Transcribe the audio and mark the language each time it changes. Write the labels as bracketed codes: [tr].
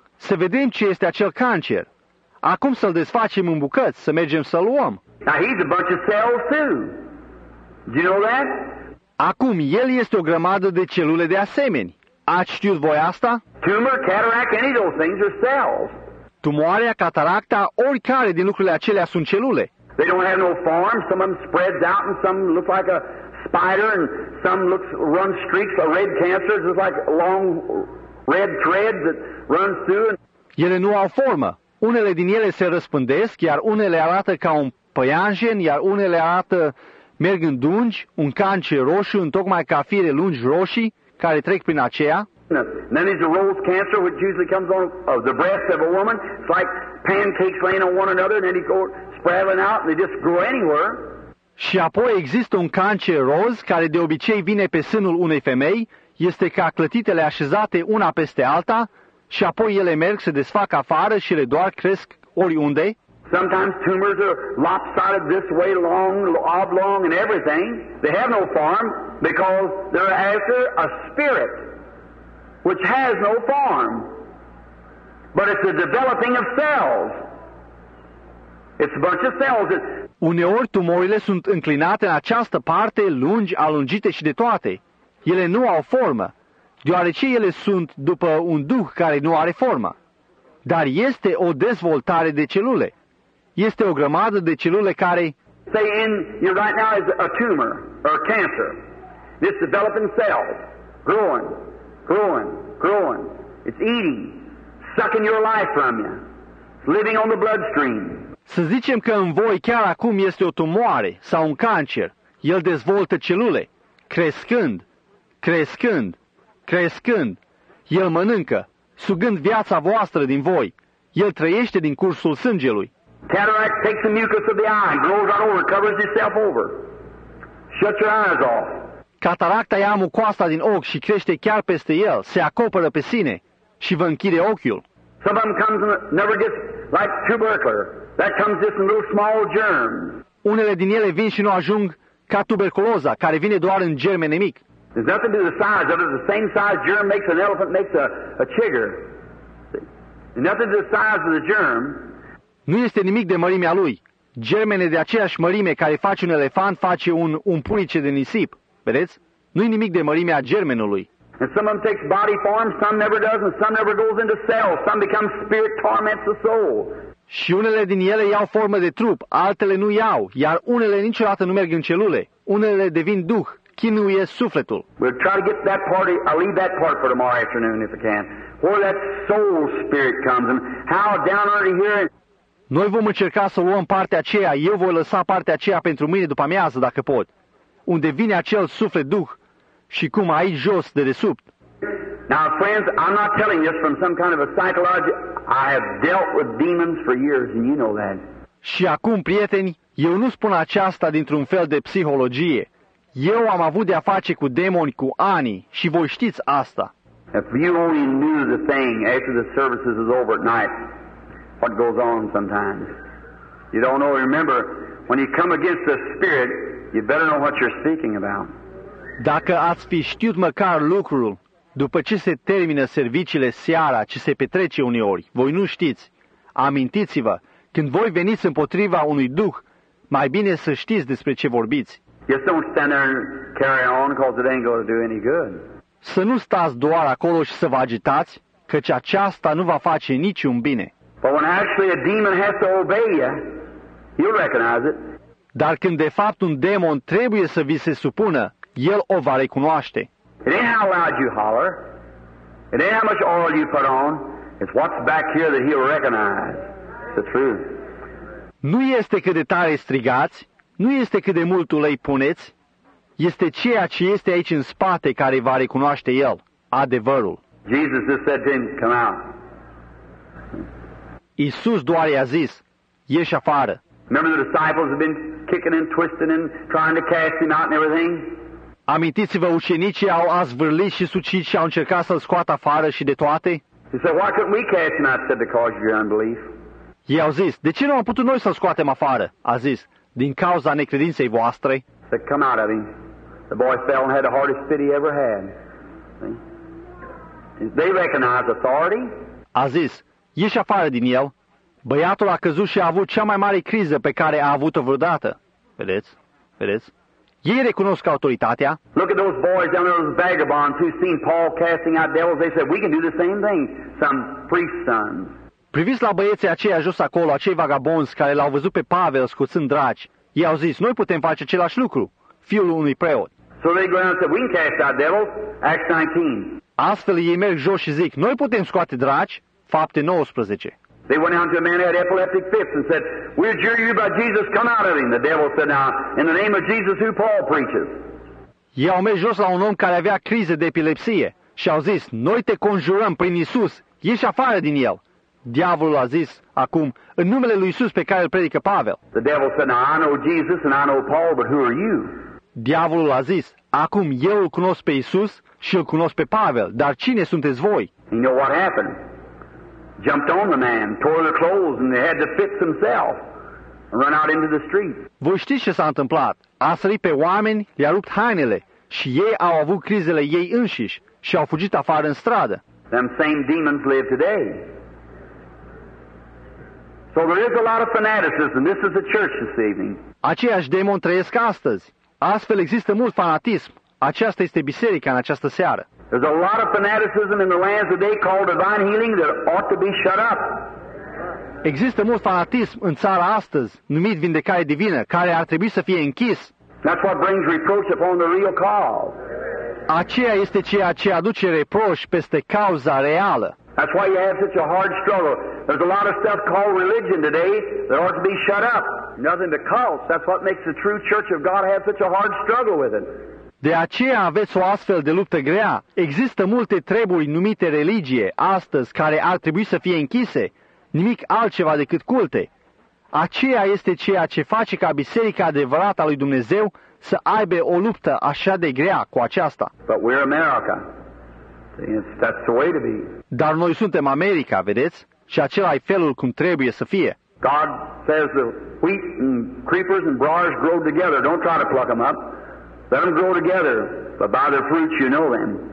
[ro] Să vedem ce este acel cancer. Acum să-l desfacem în bucăți, să mergem să-l luăm. [en] Now he's a bunch of cells too. Do you know that? [ro] Acum el este o grămadă de celule de asemeni. Ați știut voi asta? [en] Tumor, cataract, any of those things are cells. [ro] Tumoarea, cataracta, oricare din lucrurile acelea sunt celule. [en] They don't have no form. Some of them spreads out and some look like a spider and some looks run streaks of red cancers. It's like long red threads that run through. [ro] Ele nu au formă. Unele din ele se răspândesc, iar unele arată ca un păianjen, iar unele arată, merg în dungi, un cancer roșu, întocmai ca fire lungi roșii, care trec prin aceea. [en] Then there's a rose cancer, which usually comes on the breast of a woman. It's like pancakes laying on one another, and then they go spraying out, and they just grow anywhere. [ro] Și apoi există un cancer roz, care de obicei vine pe sânul unei femei, este ca clătitele așezate una peste alta, și apoi ele merg, se desfac afară și le doar cresc oriunde. [en] Sometimes tumors are lopsided this way, long, oblong, and everything. They have no form because they're after a spirit which has no form. But it's a developing of cells. It's a bunch of cells. [ro] Uneori tumorile sunt înclinate în această parte, lungi, alungite și de toate. Ele nu au formă, deoarece ele sunt după un duh care nu are formă. Dar este o dezvoltare de celule. Este o grămadă de celule care... [en] Say in you right now is a tumor or a cancer. This developing cell, growing, growing, growing. It's eating, sucking your life from you. It's living on the bloodstream. [ro] Să zicem că în voi chiar acum este o tumoare sau un cancer. El dezvoltă celule, crescând, crescând, crescând. El mănâncă, sugând viața voastră din voi. El trăiește din cursul sângelui. [en] Cataract takes the mucus of the eye and grows right over, covers itself over. Shut your eyes off. [ro] Cataracta ia mucoasa din ochi și crește chiar peste el, se acoperă pe sine și vă închide ochiul. [en] Some of them comes in, never gets like tubercular. That comes just in little small germs. [ro] Unele din ele vin și nu ajung ca tuberculoza, care vine doar în germene mic. [en] There's nothing to the size of it. The same size germ makes an elephant, makes a chigger. There's nothing to the size of the germ. [ro] Nu este nimic de mărimea lui. Germene de aceeași mărime care face un elefant face un pulice de nisip. Vedeți? Nu-i nimic de mărimea germenului. [en] And some of them takes body form, some never does, and some never goes into cells. Some become spirit, torments the soul. [ro] Și unele din ele iau formă de trup, altele nu iau, iar unele niciodată nu merg în celule. Unele devin duh, chinuie sufletul. [en] We'll try to get that part, I'll leave that part for tomorrow afternoon if I can. Where that soul spirit comes and how down under here... [ro] Noi vom încerca să luăm partea aceea, eu voi lăsa partea aceea pentru mâine după amiază, dacă pot. unde vine acel suflet duh și cum aici jos de desubt. [en] Now friends, I'm not telling this from some kind of a psychology. I have dealt with demons for years and you know that. [ro] Și acum, prieteni, eu nu spun aceasta dintr-un fel de psihologie. Eu am avut de-a face cu demoni cu ani și voi știți asta. [en] If you only knew the thing after the services is over at night, what goes on sometimes. You don't know. Remember, when you come against the spirit, you better know what you're speaking about. [ro] Dacă ați fi știut măcar lucrul, după ce se termină serviciile seara, ce se petrece uneori, voi nu știți. Amintiți-vă, când voi veniți împotriva unui duh, mai bine să știți despre ce vorbiți. [en] Just don't stand there and carry on, because it ain't going to do any good. [ro] Să nu stați doar acolo și să vă agitați, căci aceasta nu va face niciun bine. [en] But when actually a demon has to obey you, you'll recognize it. [ro] Dar când de fapt un demon trebuie să vi se supună, el o va recunoaște. [en] It ain't how loud you holler. It ain't how much oil you put on. It's what's back here that he'll recognize. The truth. [ro] Nu este cât de tare strigați, nu este cât de mult ulei puneți, este ceea ce este aici în spate care va recunoaște el, adevărul. [en] Jesus just said to him, come out. [ro] Iisus doar i-a zis, ieși afară. [en] Remember the disciples have been kicking and twisting and trying to cast him out and everything? [ro] Amintiți-vă, ucenicii au azvârlit și sucit și au încercat să-l scoată afară și de toate? [en] He said, why couldn't we cast him out? Said, because of your unbelief. [ro] Ei au zis, de ce nu am putut noi să-l scoatem afară? A zis, din cauza necredinței voastre. [en] Said, come out of him. The boy fell and had the hardest fit he ever had. See? They recognize authority. [ro] A zis, ieși afară din el. Băiatul a căzut și a avut cea mai mare criză pe care a avut-o vreodată. Vedeți? Vedeți? Ei recunosc autoritatea. [en] Look at those boys down there, those vagabonds who seen Paul casting out devils. They said, we can do the same thing. Some priest's sons. [ro] Priviți la băieții aceia jos acolo, acei vagabonzi care l-au văzut pe Pavel scoțând dragi. Ei au zis, noi putem face același lucru, fiul unui preot. [en] So they go down and said, we can cast out devils. Acts 19. [ro] Astfel ei merg jos și zic, noi putem scoate dragi. Fapte 19. [en] They went down to a man who had epileptic fits and said, we adjure you by Jesus, come out of him. The devil said, now, in the name of Jesus, who Paul preaches. [ro] Ei au mers jos la un om care avea crize de epilepsie și au zis, noi te conjurăm prin Iisus, ieși afară din el. Diavolul a zis acum, în numele lui Iisus pe care îl predică Pavel. [en] The devil said, now, I know Jesus and I know Paul, but who are you? [ro] Diavolul a zis, acum eu îl cunosc pe Iisus și îl cunosc pe Pavel, dar cine sunteți voi? [en] You know what happened? Jumped on the man, tore the clothes and they had to fix himself and run out into the street. [ro] Voi știți ce s-a întâmplat? A sărit pe oameni, le-a rupt hainele și ei au avut crizele ei înșiși și au fugit afară în stradă. [en] Them same demons live today. So there is a lot of fanaticism. This is the church this evening. [ro] Aceiași demoni trăiesc astăzi. Astfel există mult fanatism. Aceasta este biserica în această seară. [en] There's a lot of fanaticism in the lands today called divine healing that ought to be shut up. [ro] Există mult fanatism în țara astăzi, numit vindecare divină, care ar trebui să fie închis. [en] That's what brings reproach upon the real cause. [ro] Aceea este ceea ce aduce reproș peste cauza reală. [en] That's why you have such a hard struggle. There's a lot of stuff called religion today that ought to be shut up. Nothing but cults. That's what makes the true church of God have such a hard struggle with it. [ro] De aceea aveți o astfel de luptă grea. Există multe treburi numite religie astăzi care ar trebui să fie închise, nimic altceva decât culte. Aceea este ceea ce face ca biserica adevărată a lui Dumnezeu să aibă o luptă așa de grea cu aceasta. [en] But we're America. See, that's the way to be. [ro] Dar noi suntem America, vedeți? Și acela e felul cum trebuie să fie. [en] God says the wheat and creepers and briars grow together. Don't try to pluck them up. Let them grow together, but by their fruits you know them.